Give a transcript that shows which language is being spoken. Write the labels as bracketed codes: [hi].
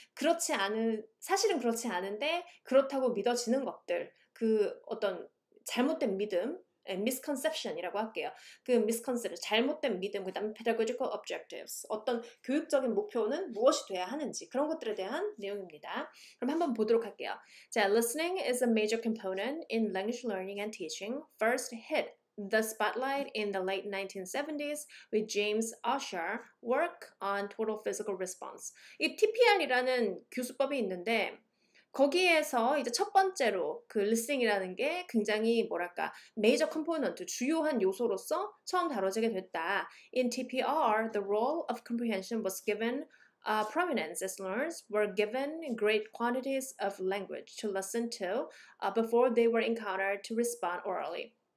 [ko] 그렇지 않은, 사실은 그렇지 않은데 그렇다고 믿어지는 것들, 그 어떤 잘못된 믿음, misconception이라고 할게요. 그 misconception, 잘못된 믿음, 그 다음에 [en] pedagogical objectives, [ko] 어떤 교육적인 목표는 무엇이 돼야 하는지, 그런 것들에 대한 내용입니다. 그럼 한번 보도록 할게요. [en] 자, listening is a major component in language learning and teaching. First hit the spotlight in the late 1970s with James Usher work on total physical response. [ko] 이 TPR이라는 교수법이 있는데, 거기에서 이제 첫 번째로 그 리스닝이라는 게 굉장히 뭐랄까 메이저 컴포넌트 주요한 요소로서 처음 다뤄지게 됐다. [en] In TPR, the role of comprehension was given prominence as learners were given great quantities of language to listen to before they were encountered to respond orally.